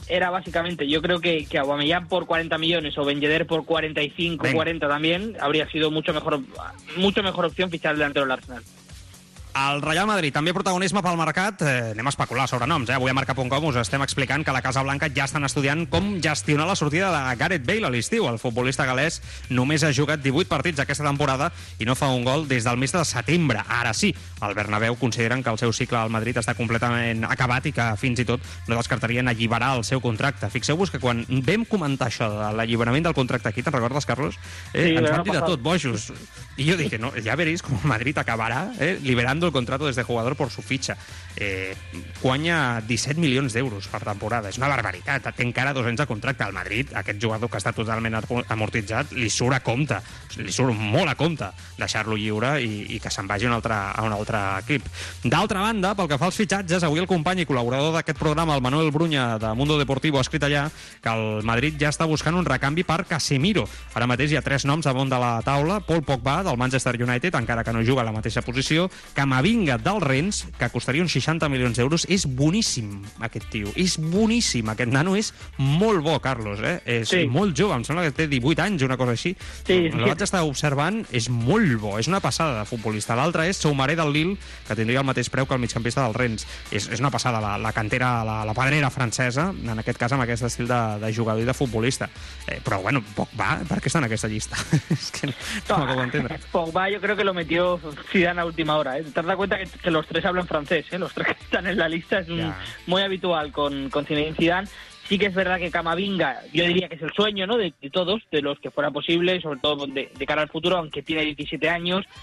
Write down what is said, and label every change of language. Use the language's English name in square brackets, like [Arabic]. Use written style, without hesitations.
[Spanish] Básicamente, yo creo que Aubameyang por 40 millones o Ben Yedder por 45, venga, 40 también, habría sido mucho mejor opción fichar delantero del Arsenal. [Catalan] El Real Madrid, també protagonisme pel mercat. Anem a especular sobre noms, eh? Avui a Marca.com us estem explicant que la Casa Blanca ja estan estudiant com gestionar la sortida de Gareth Bale a l'estiu. El futbolista galès només ha jugat 18 partits aquesta temporada i no fa un gol des del mes de setembre. Ara sí, al Bernabéu consideren que el seu cicle al Madrid està completament acabat i que fins i tot no descartarien alliberar el seu contracte. Fixeu-vos que quan vam comentar això de l'alliberament del contracte aquí, te'n recordes, Carlos? Ens van dir de tot, bojos. I jo dic, no, ja veréis com el Madrid acabarà liberant [Spanish] el contrato desde jugador por su ficha. [Catalan] Guanya 17 milions d'euros per temporada. És una barbaritat. Té encara 2 anys de contracte al Madrid. Aquest jugador que està totalment amortitzat li surt a compte. Li surt molt a compte deixar-lo lliure i que se'n vagi a un altre equip. D'altra banda, pel que fa als fitxatges, avui el company i col·laborador d'aquest programa, el Manuel Brunya de Mundo Deportivo, ha escrit allà que el Madrid ja està buscant un recanvi per Casemiro. Ara mateix hi ha 3 noms damunt de la taula. Paul Pogba, del Manchester United, encara que no juga a la mateixa posició. Camavinga, del Rennes, que costaria uns 60 milions d'euros. És boníssim, aquest tio. És boníssim. Aquest nano és molt bo, Carlos. Molt jove. Em sembla que té 18 anys, una cosa així. Sí. L'altre està observant. És molt bo. És una passada de futbolista. L'altre és Soumaré, del Lille, que tindria el mateix preu que el migcampista del Rennes. És una passada. La cantera, la pedrera francesa, en aquest cas, amb aquest estil de jugador i de futbolista. Però, bueno, Pogba, per què està en aquesta llista? És que no m'acabo d'entendre. [Spanish] Pogba, [Catalan] jo crec que [Spanish] lo metió Zidane a última hora. Te das cuenta que los tres hablan francés, ¿eh? Los tres que están en la lista es muy habitual con Zinedine Zidane. Sí que es verdad que Camavinga, yo diría que es el sueño, ¿no? De todos, de los que fuera posible, sobre todo de cara al futuro, aunque tiene 17 años.